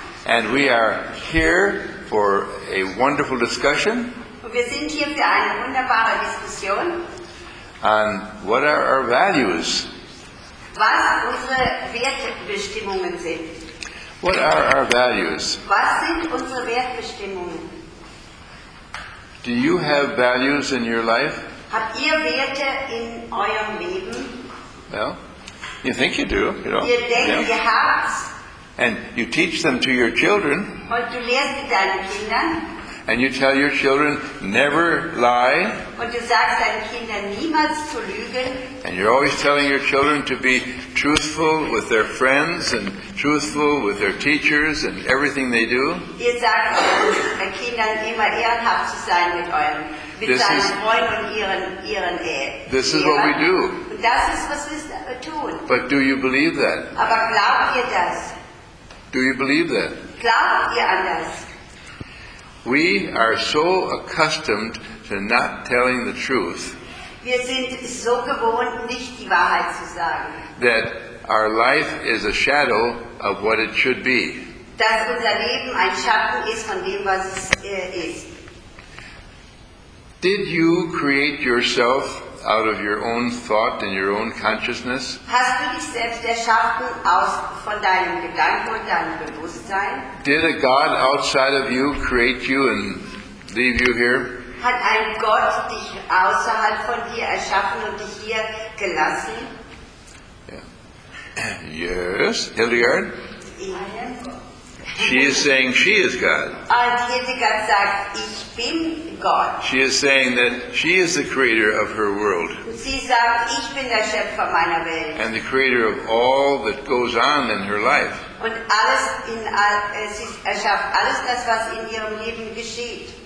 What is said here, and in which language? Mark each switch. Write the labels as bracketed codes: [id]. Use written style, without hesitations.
[en] And we are here for a wonderful discussion. [de] Und wir sind hier für eine wunderbare Diskussion. [en] And what are our values? [de] Was unsere Wertebestimmungen sind. [en] What are our values? [de] Was sind unsere Wertebestimmungen? [en] Do you have values in your life? [de] Habt ihr Werte in eurem Leben? [en] Well, you think you do, you know. [de] Ihr denkt, yeah. Ihr habt's. [en] And you teach them to your children. [de] Und du lehrst deinen Kindern. [en] And you tell your children, never lie. [de] Und du sagst deinen Kindern, niemals zu lügen. [en] And you're always telling your children to be truthful with their friends and truthful with their teachers and everything they do. [de] Ihr sagt deinen Kindern, immer ehrenhaft zu sein mit seinen Freunden und ihren Eltern. [en] This is what we do. [de] Und das ist, was wir tun. [en] But do you believe that? [de] Aber glaubt ihr das? [en] Do you believe that? [de] Glaubt ihr an das? [en] We are so accustomed to not telling the truth. [de] Wir sind so gewohnt, nicht die Wahrheit zu sagen. [en] That our life is a shadow of what it should be. [de] Dass unser Leben ein Schatten ist von dem, was es ist. [en] Did you create yourself out of your own thought and your own consciousness? [de] Hast du dich selbst erschaffen aus von deinem Gedanken und deinem Bewusstsein? [en] Did a God outside of you create you and leave you here? [de] Hat ein Gott dich außerhalb von dir erschaffen und dich hier gelassen? [en] Yeah. Yes, Hildegard? She is saying she is God. [de] Und Hildegard sagt, ich bin Gott. [en] She is saying that she is the creator of her world. [de] Sie sagt, ich bin der Schöpfer meiner Welt. [en] And the creator of all that goes on in her life. [de] Und alles in sie erschafft alles das, was in ihrem Leben geschieht.